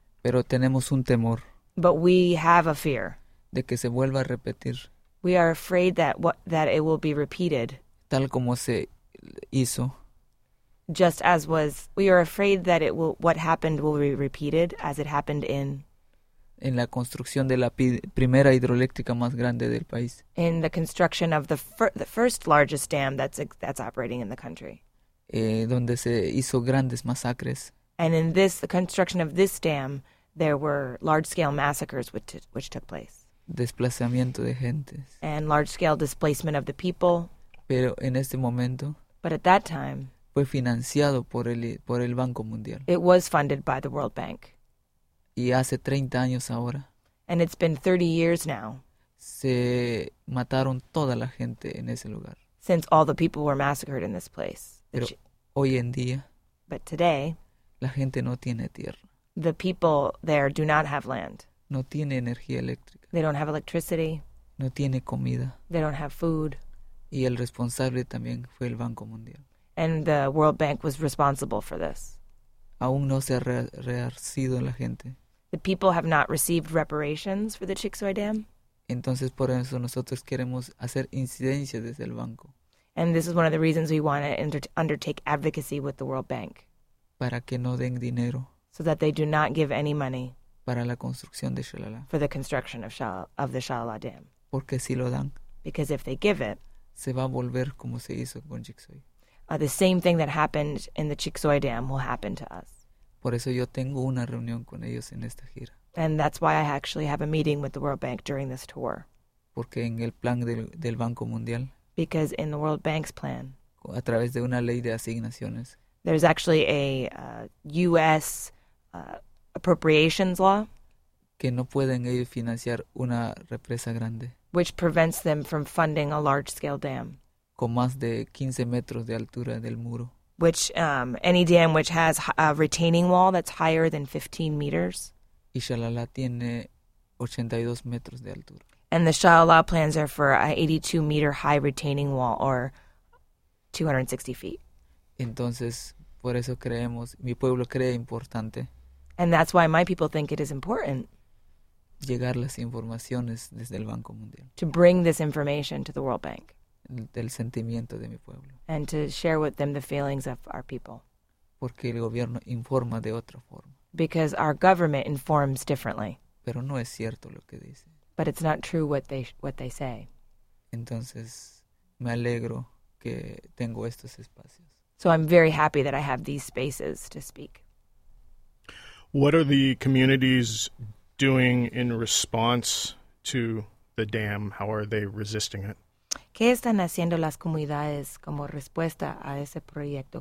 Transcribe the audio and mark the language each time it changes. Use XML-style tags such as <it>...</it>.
<es>Pero tenemos un temor.</es> <en>But we have a fear.</en> <es>De que se vuelva a repetir.</es> <en>We are afraid that it will be repeated.</en> <es>Tal como se hizo.</es> <en>Just as was. We are afraid that it will. What happened will be repeated as it happened in.</en> <es>En la construcción de la primera hidroeléctrica más grande del país.</es> <en>In the construction of the first largest dam that's operating in the country.</en> <es>Donde se hizo grandes masacres.</es> <en>And in this, the construction of this dam, there were large-scale massacres which took place.</en> <es>Desplazamiento de gentes.</es> <en>And large-scale displacement of the people.</en> <es>Pero en este momento.</es> <en>But at that time.</en> <es>Fue financiado por el Banco Mundial.</es> <en>It was funded by the World Bank.</en> <es>Y hace 30 años ahora.</es> <en>And it's been 30 years now.</en> <es>Se mataron toda la gente en ese lugar.</es> <en>Since all the people were massacred in this place.</en> <es>Pero hoy en día.</es> <en>But today.</en> <es>La gente no tiene tierra.</es> <en>The people there do not have land.</en> <es>No tiene energía eléctrica.</es> <en>They don't have electricity.</en> <es>No tiene comida.</es> <en>They don't have food.</en> <es>Y el responsable también fue el Banco Mundial.</es> <en>And the World Bank was responsible for this.</en> <es>Aún no se ha resarcido la gente.</es> <en>The people have not received reparations for the Chicxulub Dam.</en> <es>Entonces por eso nosotros queremos hacer incidencia desde el banco.</es> <en>And this is one of the reasons we want to undertake advocacy with the World Bank.</en> <es>Para que no den dinero.</es> <en>So that they do not give any money.</en> <es>Para la construcción de Shalala.</es> <en>For the construction of the Shalala Dam.</en> <es>Porque si lo dan.</es> <en>Because if they give it.</en> <es>Se va a volver como se hizo con Chicxulub.</es> <en>The same thing that happened in the Chicxulub Dam will happen to us.</en> <es>Por eso yo tengo una reunión con ellos en esta gira.</es> <en>And that's why I actually have a meeting with the World Bank during this tour.</en> <es>Porque en el plan del Banco Mundial.</es> <en>Because in the World Bank's plan.</en> <es>A través de una ley de asignaciones.</es> <en>There's actually a U.S. Appropriations law.</en> <es>Que no pueden ellos financiar una represa grande.</es> <en>Which prevents them from funding a large-scale dam.</en> <es>Con más de 15 metros de altura del muro.</es> <en>Which any dam which has a retaining wall that's higher than 15 meters.</en> <es>Y Shalala tiene 82 metros de altura.</es> <en>And the Shalala plans are for an 82 meter high retaining wall or 260 feet.</en> <es>Entonces, por eso creemos, mi pueblo cree importante.</es> <en>And that's why my people think it is important.</en> <es>Llegar las informaciones desde el Banco Mundial.</es> <en>To bring this information to the World Bank.</en> <es>Del sentimiento de mi pueblo.</es> <en>And to share with them the feelings of our people.</en> <es>Porque el gobierno informa de otra forma.</es> <en>Because our government informs differently.</en> <es>Pero no es cierto lo que dice.</es> <en>But it's not true what they say.</en> <es>Entonces, me alegro que tengo estos espacios.</es> <en>So I'm very happy that I have these spaces to speak. What are the communities doing in response to the dam? How are they resisting it?</en> <es>¿Qué están haciendo las comunidades como respuesta a ese proyecto?</es>